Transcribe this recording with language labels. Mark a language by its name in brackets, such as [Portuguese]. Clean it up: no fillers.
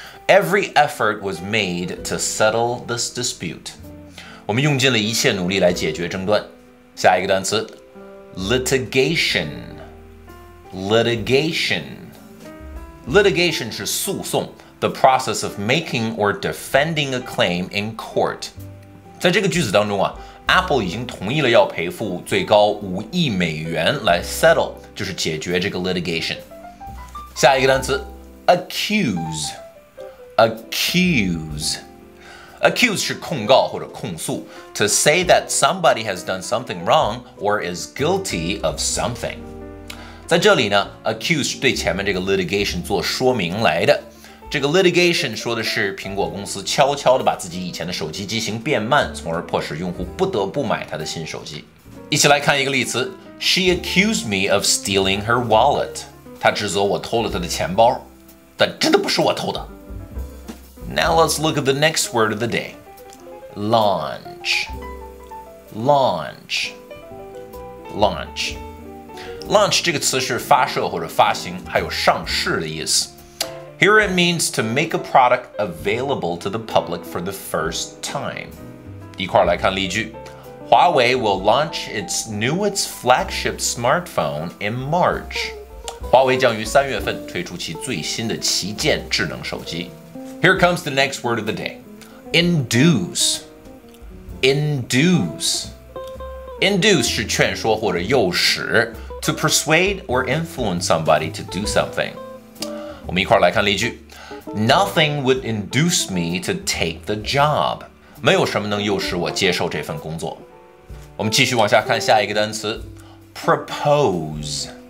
[English] Every effort was made to settle this dispute. [Chinese] 我们用尽了一切努力来解决争端。下一个单词 ,litigation, litigation. Litigation 是诉讼。 [English] The process of making or defending a claim in court. [Chinese] 在这个句子当中啊 ,Apple 已经同意了要赔付最高$500,000来 settle, 就是解决这个 litigation. 下一个单词 ,accuse. Accuse. [English] Accuse [Chinese] 是控告或者控诉 [English] to say that somebody has done something wrong or is guilty of something. [Chinese] 在这里呢 ,accuse 是对前面这个 litigation 做说明来的。这个 litigation 说的是苹果公司悄悄地把自己以前的手机机型变慢，从而迫使用户不得不买他的新手机。一起来看一个例子 [English] ，She accused me of stealing her wallet. [Chinese] 她指责我偷了她的钱包，但真的不是我偷的。 [English] Now let's look at the next word of the day. Launch. Launch. Launch. [Chinese] Launch 这个词是发射或者发行，还有上市的意思。 [English] Here it means to make a product available to the public for the first time. [Chinese] 一块来看例句。 [English] Huawei will launch its newest flagship smartphone in March. [Chinese] 华为将于三月份推出其最新的旗舰智能手机。 [English] Here comes the next word of the day. Induce. Induce. Induce [Chinese] 是劝说或者诱使 [English] to persuade or influence somebody to do something. [Chinese] 我们一块来看例句 [English] Nothing would induce me to take the job [Chinese] 没有什么能诱使我接受这份工作我们继续往下看下一个单词 Propose